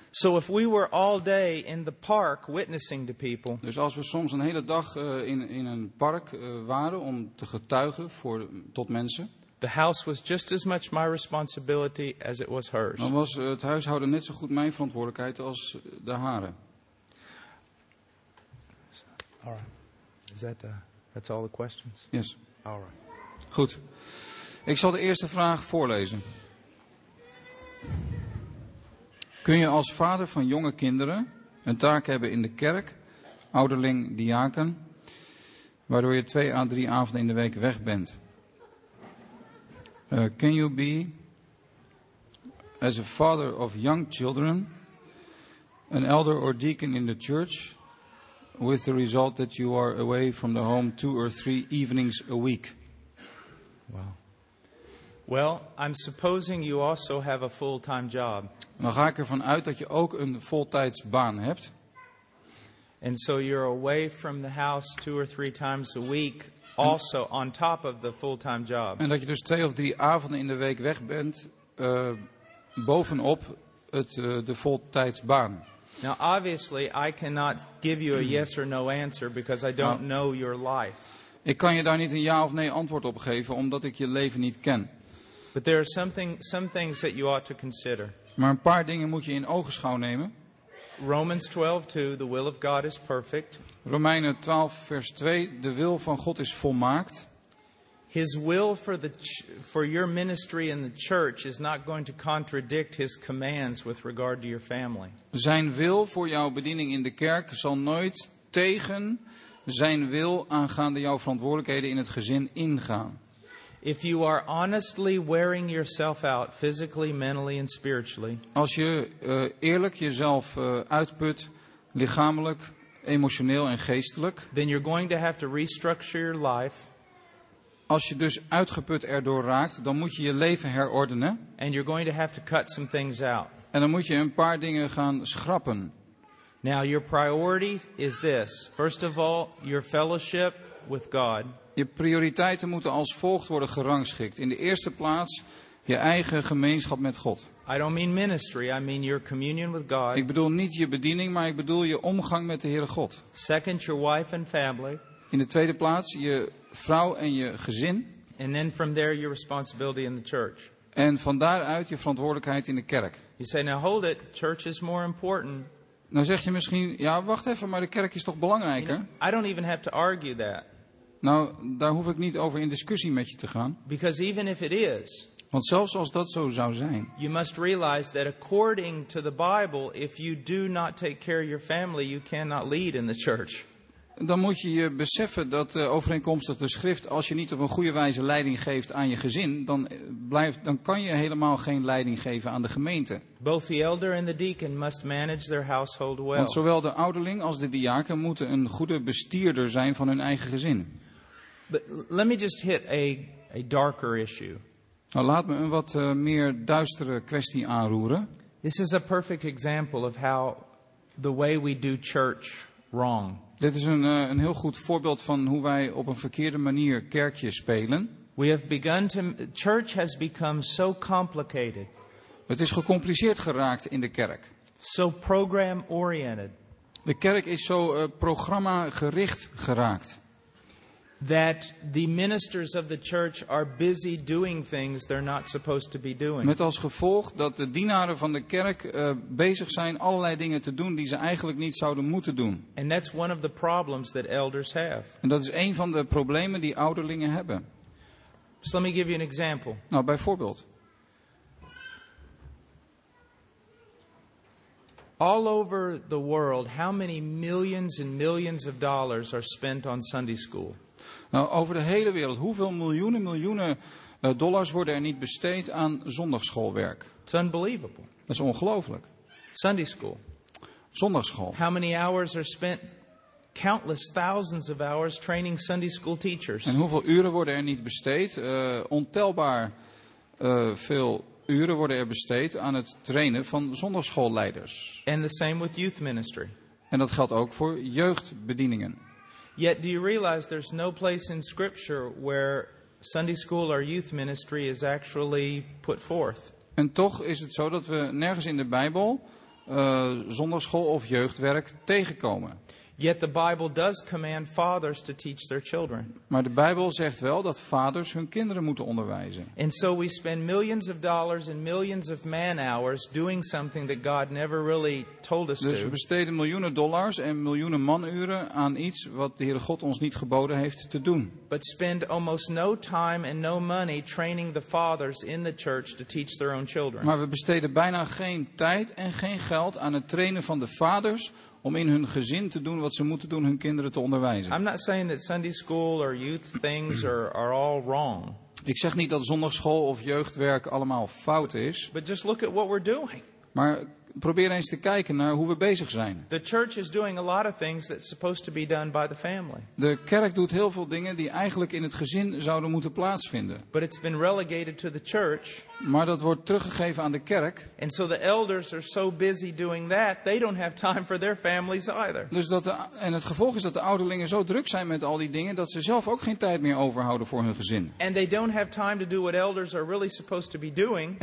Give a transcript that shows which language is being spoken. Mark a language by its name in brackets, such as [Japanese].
[English] So if we were all day in the park witnessing to people. [Dutch] Dus als we soms een hele dag in een park waren om te getuigen tot mensen. [English] The house was just as much my responsibility as it was hers. [Dutch] Dan was het huishouden net zo goed mijn verantwoordelijkheid als de hare. [English] All right. Is that that's all the questions? Yes. All right. [Dutch] Goed. Ik zal de eerste vraag voorlezen. Kun je als vader van jonge kinderen een taak hebben in de kerk, ouderling, diaken, waardoor je 2 à 3 avonden in de week weg bent? [English] Can you be, as a father of young children, an elder or deacon in the church, with the result that you are away from the home 2 or 3 evenings a week? Wow. Well, I'm supposing you also have a full-time job. [Dutch] Dan ga ik ervan uit dat je ook een voltijdsbaan hebt. [English] And so you're away from the house 2 or 3 times a week. Also on top of the full-time job. [Dutch] En dat je dus 2 of 3 avonden in de week weg bent bovenop de voltijdsbaan. [English] Now obviously I cannot give you a yes or no answer because I don't know your life. [Dutch] Ik kan je daar niet een ja of nee antwoord op geven omdat ik je leven niet ken. [English] But there are some things that you ought to consider. [Dutch] Maar een paar dingen moet je in ogenschouw nemen. [English] Romans 12:2, the will of God is perfect. [Dutch] Romeinen 12 vers 2, de wil van God is volmaakt. [English] His will for your ministry in the church is not going to contradict his commands with regard to your family. [Dutch] Zijn wil voor jouw bediening in de kerk zal nooit tegen zijn wil aangaande jouw verantwoordelijkheden in het gezin ingaan. [English] If you are honestly wearing yourself out physically, mentally and spiritually. [Dutch] Als je eerlijk jezelf uitput lichamelijk, emotioneel en geestelijk. [English] Then you're going to have to restructure your life. [Dutch] Als je dus uitgeput erdoor raakt, dan moet je je leven herordenen. [English] And you're going to have to cut some things out. [Dutch] En dan moet je een paar dingen gaan schrappen. [English] Now your priority is this. First of all, your fellowship with God. [Dutch] Je prioriteiten moeten als volgt worden gerangschikt. In de eerste plaats je eigen gemeenschap met God. [English] I don't mean ministry, I mean your communion with God. [Dutch] Ik bedoel niet je bediening, maar ik bedoel je omgang met de Heere God. [English] Second, your wife and family. [Dutch] In de tweede plaats je vrouw en je gezin. [English] And then from there your responsibility in the church. [Dutch] En van daaruit je verantwoordelijkheid in de kerk. [English] You say, now hold it, church is more important. [Dutch] Nou zeg je misschien, ja wacht even, maar de kerk is toch belangrijker? [English] You know, I don't even have to argue that. [Dutch] Nou, daar hoef ik niet over in discussie met je te gaan. [English] Because even if it is. [Dutch] Want zelfs als dat zo zou zijn. [English] You must realize that according to the Bible, if you do not take care of your family, you cannot lead in the church. [Dutch] Dan moet je je beseffen dat overeenkomstig de schrift, als je niet op een goede wijze leiding geeft aan je gezin, dan kan je helemaal geen leiding geven aan de gemeente. [English] Both the elder and the deacon must manage their household well. [Dutch] Want zowel de ouderling als de diaken moeten een goede bestierder zijn van hun eigen gezin. [English] But let me just hit a darker issue. [Dutch] Nou, laat me een wat meer duistere kwestie aanroeren. [English] This is a perfect example of how the way we do church wrong. [Dutch] Dit is een heel goed voorbeeld van hoe wij op een verkeerde manier kerkje spelen. [English] We have begun to, church has become so complicated. [Dutch] Het is gecompliceerd geraakt in de kerk. [English] So program oriented. [Dutch] De kerk is zo programma gericht geraakt. [English] That the ministers of the church are busy doing things they're not supposed to be doing. [Dutch] Met als gevolg dat de dienaren van de kerk bezig zijn allerlei dingen te doen die ze eigenlijk niet zouden moeten doen. [English] And that's one of the problems that elders have. [Dutch] En dat is een van de problemen die ouderlingen hebben. [English] So let me give you an example. [Dutch] Nou, bijvoorbeeld. [English] All over the world, how many millions and millions of dollars are spent on Sunday school? [Dutch] Nou, over de hele wereld, hoeveel miljoenen, miljoenen dollars worden er niet besteed aan zondagsschoolwerk? [English] It's unbelievable. [Dutch] Dat is ongelooflijk. [English] Sunday school. [Dutch] Zondagsschool. [English] How many hours are spent, countless thousands of hours training Sunday school teachers? [Dutch] En hoeveel uren worden er niet besteed? Ontelbaar veel uren worden er besteed aan het trainen van zondagsschoolleiders. [English] And the same with youth ministry. [Dutch] En dat geldt ook voor jeugdbedieningen. [English] Yet do you realize there's no place in scripture where Sunday school or youth ministry is actually put forth. [Dutch] En toch is het zo dat we nergens in de Bijbel zondagsschool of jeugdwerk tegenkomen. [English] Yet the Bible does command fathers to teach their children. [Dutch] Maar de Bijbel zegt wel dat vaders hun kinderen moeten onderwijzen. [English] And so we spend millions of dollars and millions of man hours doing something that God never really told us to. [Dutch] Dus we besteden miljoenen dollars en miljoenen manuren aan iets wat de Heere God ons niet geboden heeft te doen. [English] But spend almost no time and no money training the fathers in the church to teach their own children. [Dutch] Maar we besteden bijna geen tijd en geen geld aan het trainen van de vaders om in hun gezin te doen wat ze moeten doen, hun kinderen te onderwijzen. [English] I'm not saying that Sunday school or youth things are all wrong. [Dutch] Ik zeg niet dat zondagsschool of jeugdwerk allemaal fout is. [English] But just look at what we're doing. [Dutch] Maar probeer eens te kijken naar hoe we bezig zijn. [English] The church is doing a lot of things that's supposed to be done by the family. [Dutch] De kerk doet heel veel dingen die eigenlijk in het gezin zouden moeten plaatsvinden. [English] But it's been relegated to the church. [Dutch] Maar dat wordt teruggegeven aan de kerk. [English] And so the elders are so busy doing that, they don't have time for their families either. [Dutch] Dus en het gevolg is dat de ouderlingen zo druk zijn met al die dingen dat ze zelf ook geen tijd meer overhouden voor hun gezin. [English] And they don't have time to do what elders are really supposed to be doing.